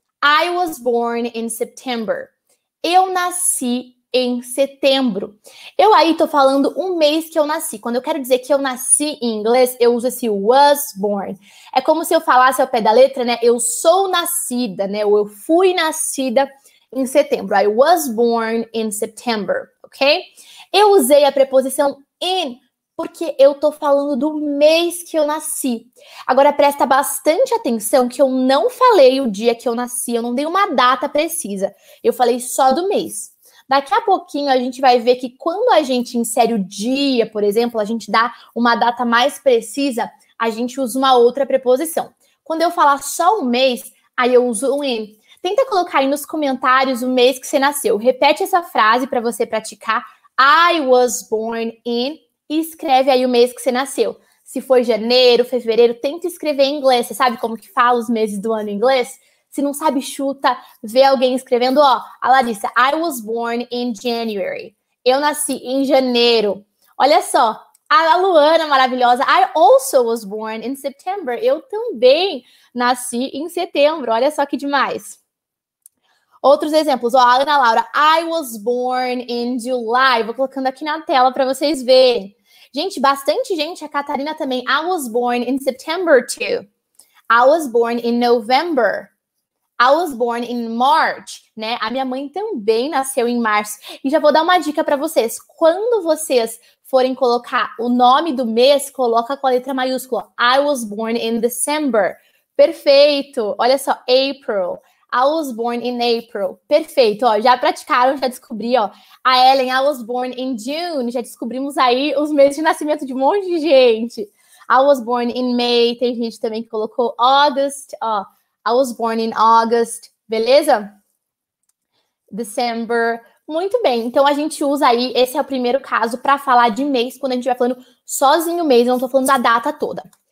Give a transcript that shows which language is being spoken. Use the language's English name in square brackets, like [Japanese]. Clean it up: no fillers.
[English] I was born in September. [Portuguese] Eu nasci em setembro. Eu aí tô falando um mês que eu nasci. Quando eu quero dizer que eu nasci em inglês, eu uso esse was born. É como se eu falasse ao pé da letra, né? Eu sou nascida, né? Ou eu fui nascida em setembro. [English] I was born in September, ok? [Portuguese] Eu usei a preposição in porque eu tô falando do mês que eu nasci. Agora, presta bastante atenção que eu não falei o dia que eu nasci, eu não dei uma data precisa. Eu falei só do mês. Daqui a pouquinho a gente vai ver que quando a gente insere o dia, por exemplo, a gente dá uma data mais precisa, a gente usa uma outra preposição. Quando eu falar só o mês, aí eu uso um in. Tenta colocar aí nos comentários o mês que você nasceu. Repete essa frase para você praticar. [English] I was born in. [Portuguese] E escreve aí o mês que você nasceu. Se foi janeiro, fevereiro, tenta escrever em inglês. Você sabe como que fala os meses do ano em inglês? Se não sabe, chuta, vê alguém escrevendo, ó, a Larissa, [English] I was born in January. [Portuguese] Eu nasci em janeiro. Olha só, a Luana maravilhosa, [English] I also was born in September. [Portuguese] Eu também nasci em setembro. Olha só que demais. Outros exemplos, ó, a Ana Laura, [English] I was born in July. [Portuguese] Vou colocando aqui na tela para vocês verem. Gente, bastante gente. A Catarina também. [English] I was born in September too. I was born in November. I was born in March, né? [Portuguese] A minha mãe também nasceu em março. E já vou dar uma dica para vocês. Quando vocês forem colocar o nome do mês, coloca com a letra maiúscula. [English] I was born in December. Perfeito. [Portuguese] Olha só, [English] April. I was born in April. [Portuguese] Perfeito, ó, já praticaram, já descobri, ó. [English] A Ellen, I was born in June. [Portuguese] Já descobrimos aí os meses de nascimento de um monte de gente. [English] I was born in May. [Portuguese] Tem gente também que colocou August, ó. [English] I was born in August. Beleza? December. [Portuguese] Muito bem. Então a gente usa aí, esse é o primeiro caso para falar de mês quando a gente vai falando sozinho mês, eu não tô falando da data toda.